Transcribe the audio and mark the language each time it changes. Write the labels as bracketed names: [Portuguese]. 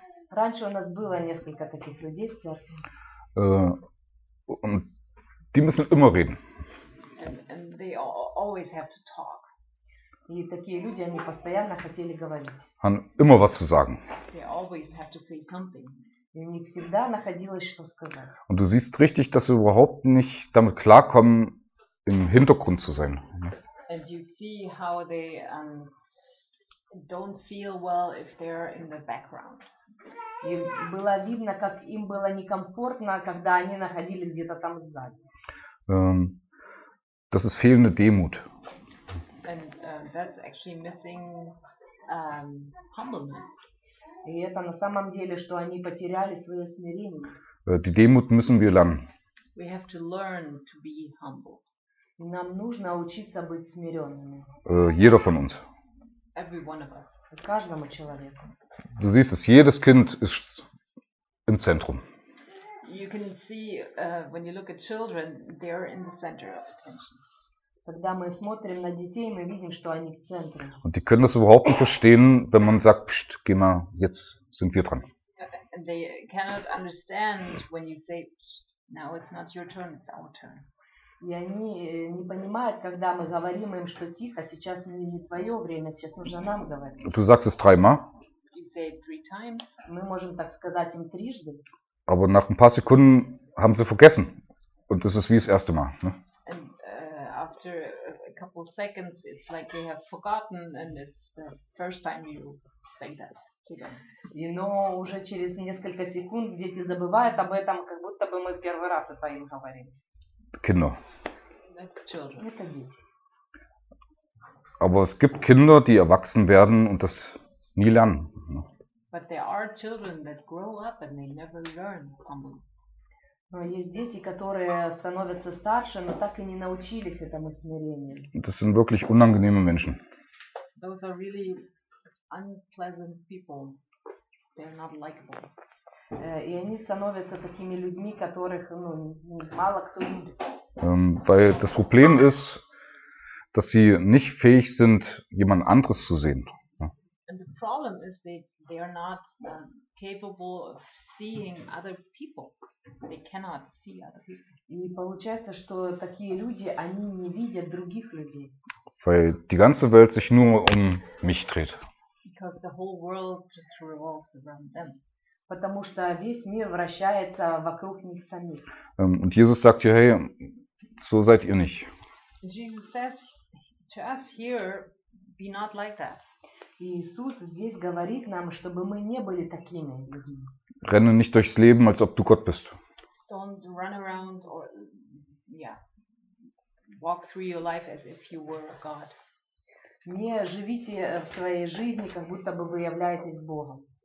[Russian] Раньше у нас было несколько таких людей в церкви. [German] Und die müssen immer reden. [English] And they always have to talk. [Russian] И такие люди, они постоянно хотели говорить. [German] Haben immer was zu sagen. [English] They always have to say something. [Russian] И у них всегда находилось что сказать. [German] Und du siehst richtig, dass sie überhaupt nicht damit klarkommen, im Hintergrund zu sein. [English] And you see how they don't feel well if they're in the background. [Russian] И было видно, как им было некомфортно, когда они находились где-то там сзади. [German] Das ist fehlende Demut. [English] And that's actually missing humbleness. [Russian] И это на самом деле, что они потеряли свое смирение. [German] Die Demut müssen wir lernen. [English] We have to learn to be humble. [Russian] Нам нужно учиться быть смиренными. [German] Jeder von uns. [English] Every one of us. [Russian] Каждому человеку. [German] Du siehst es, jedes Kind ist im Zentrum. [English] You can see, when you look at children, they're in the center of attention. [Russian] Когда мы смотрим на детей, мы видим, что они в центре. [German] Und die können das überhaupt nicht verstehen, wenn man sagt, pst, geh mal, jetzt sind wir dran. [English] They cannot understand when you say, pst, now it's not your turn, it's our turn. [Russian] И они не понимают, когда мы говорим им, что тихо, сейчас не твое время, сейчас нужно нам говорить. [German] Du sagst es dreimal. [English] You say it three times. [Russian] Мы можем так сказать им трижды. [German] Aber nach ein paar Sekunden haben sie vergessen. Und das ist wie das erste Mal. Ne? [English] And, after a couple of seconds, it's like they have forgotten and it's the first time you say that. [Russian] Но уже через несколько секунд дети забывают об этом, как будто бы мы первый раз это им говорим. [German] Kinder. [English] That's children. [Russian] Это дети. [German] Aber es gibt Kinder, die erwachsen werden und das nie lernen. [English] But there are children that grow up and they never learn humbleness. [Russian] Но есть дети, которые становятся старше, но так и не научились этому смирению. [German] Das sind wirklich unangenehme Menschen. [English] Those are really unpleasant people. They're not likable. [Russian] И они становятся такими людьми, которых мало кто любит. [German] Weil das Problem ist, dass sie nicht fähig sind, jemand anderes zu sehen. [English] And the problem is they are not capable of seeing other people. They cannot see other people. [Russian] И получается, что такие люди, они не видят других людей. [German] Weil die ganze Welt sich nur um mich dreht. [English] Because the whole world just revolves around them. [Russian] Потому что весь мир вращается вокруг них самих. [German] Und Jesus sagt hier, hey, so seid ihr nicht. [English] Jesus says to us here, be not like that. [Russian] Иисус здесь говорит нам, чтобы мы не были такими людьми. [German] Renne nicht durchs Leben, als ob du Gott bist. [English] Don't run around or, yeah, walk through your life as if you were God. [Russian] Не живите в своей жизни, как будто бы вы являетесь Богом.